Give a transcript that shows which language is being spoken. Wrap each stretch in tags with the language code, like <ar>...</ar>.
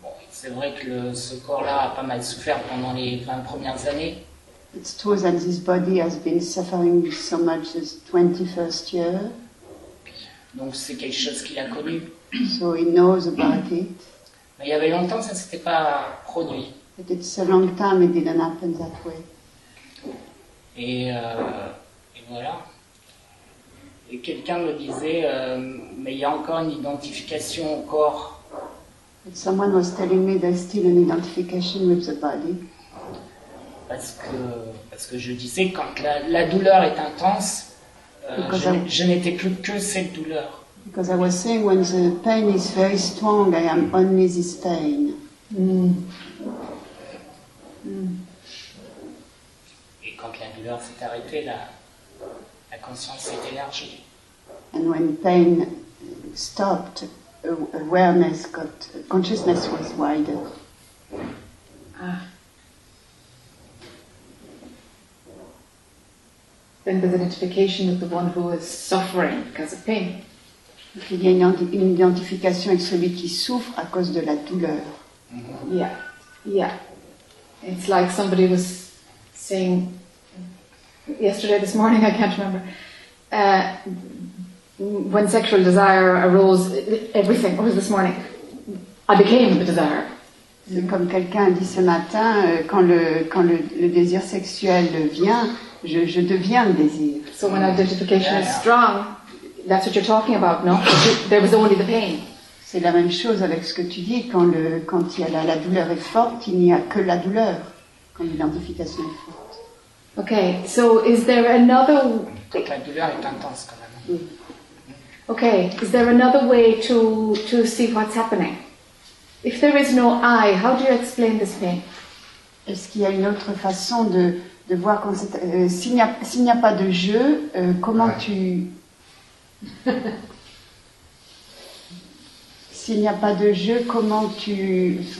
<fr>C'est vrai que ce corps-là a pas mal souffert pendant les 20 premières années.</fr> <en>It's true that this body has been suffering so much this 21st year.</en> <fr>Donc c'est quelque chose qu'il a connu.</fr> <en>So he knows about it.</en> <fr>Mais il y avait longtemps que ça ne s'était pas produit.</fr> <en>But it's a long time it didn't happen that way.</en> <fr>Et voilà. Et quelqu'un me disait, mais il y a encore une identification au corps.</fr> <en>Someone was telling me there's still an identification with the body.</en> <fr>Parce que je disais, quand la douleur est intense, je n'étais plus que cette douleur.</fr> <en>Because I was saying when the pain is very strong, I am only this pain.</en> <fr>Et quand la douleur s'est arrêtée, la conscience s'est élargie.</fr> <en>And when pain stopped, awareness got consciousness was wider. Ah. Then there's an identification with the one who is suffering because of pain.</en> <fr>Il y a une identification avec celui qui souffre à cause de la douleur.</fr> <en>Mm-hmm. Yeah. Yeah. It's like somebody was saying yesterday, this morning, I can't remember. When sexual desire arose, everything, what was this morning? I became the desire.</en> <fr>Comme quelqu'un dit ce matin, quand le désir sexuel vient, je deviens le désir.</fr> <en>So when identification is strong, that's what you're talking about, no? There was only the pain.</en> <fr>C'est la même chose avec ce que tu dis, quand la douleur est forte, il n'y a que la douleur, quand l'identification est forte.</fr> <en>Okay, so is there another...</en> <fr>Quand la douleur est intense, quand même.</fr> <en>Okay, is there another way to see what's happening? If there is no I, how do you explain this pain?</en> <fr>Est-ce qu'il y a une autre façon de voir quand c'est... S'il n'y a pas de jeu, comment tu... S'il n'y a pas de jeu, comment tu...</fr>